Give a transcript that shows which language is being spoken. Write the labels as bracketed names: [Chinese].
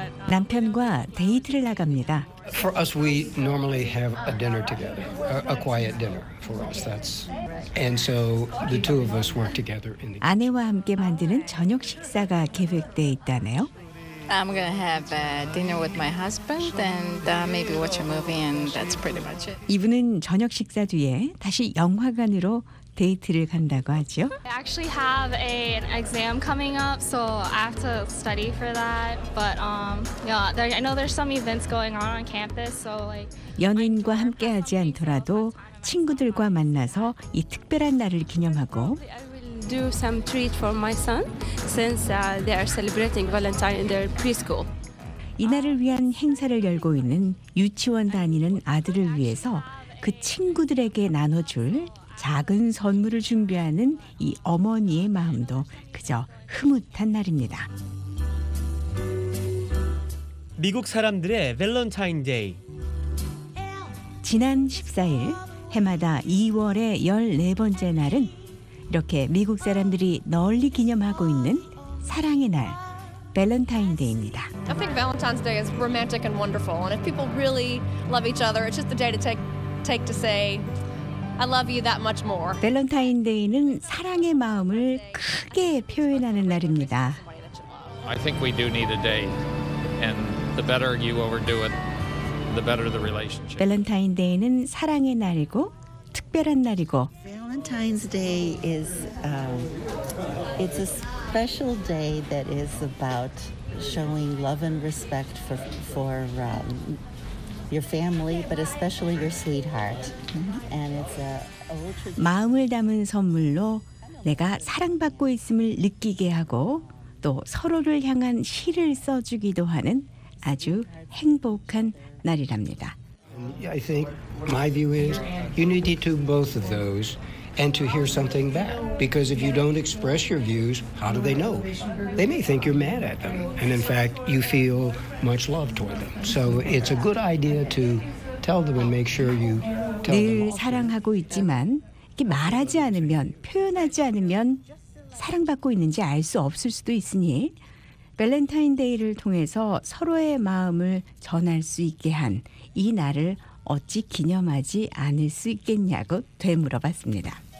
[Korean] 남편과 데이트를 나갑니다. [English] For us, we normally have a dinner together, a quiet dinner for us. That's and so the two of us work together. [Korean] 아내와 함께 만드는 저녁 식사가 계획돼 있다네요. [English] I'm gonna have a dinner with my husband and maybe watch a movie, and that's pretty much it. [Korean] 이분은 저녁 식사 뒤에 다시 영화관으로 데이트를 간다고 하죠. [English] I actually have an exam coming up, so I have to study for that. But yeah, I know there's some events going on campus, so like. [Korean] 연인과 함께하지 않더라도 친구들과 만나서 이 특별한 날을 기념하고. [English] Do some treat for my son since they are celebrating Valentine in their preschool. [Korean] 이날을 위한 행사를 열고 있는 유치원 다니는 아들을 위해서 그 친구들에게 나눠줄 작은 선물을 준비하는 이 어머니의 마음도 그저 흐뭇한 날입니다. 미국 사람들의 밸런타인 데이. 지난 14일 해마다 2월의 14번째 날은 이렇게 미국 사람들이 널리 기념하고 있는 사랑의 날, 밸런타인 데이입니다. [English] I think Valentine's Day is romantic and wonderful, and if people really love each other, it's just the day to take to say I love you that much more. [Korean] 밸런타인 데이는 사랑의 마음을 크게 표현하는 날입니다. [English] I think we do need a day, and the better you overdo it, the better the relationship. [Korean] 밸런타인 데이는 사랑의 날이고 특별한 날이고. [English] Valentine's Day is it's a special day that is about showing love and respect for your family, but especially your sweetheart. And it's a [Korean] 마음을 담은 선물로 내가 사랑받고 있음을 느끼게 하고 또 서로를 향한 시를 써주기도 하는 아주 행복한 날이랍니다. [English] I think my view is you need to do both of those and to hear something back. Because if you don't express your views, how do they know? They may think you're mad at them. And in fact, you feel much love toward them. So it's a good idea to tell them and make sure you tell them. [Korean] 늘 사랑하고 있지만 이렇게 말하지 않으면, 표현하지 않으면 사랑받고 있는지 알 수 없을 수도 있으니 밸런타인데이를 통해서 서로의 마음을 전할 수 있게 한 이 날을 어찌 기념하지 않을 수 있겠냐고 되물어봤습니다.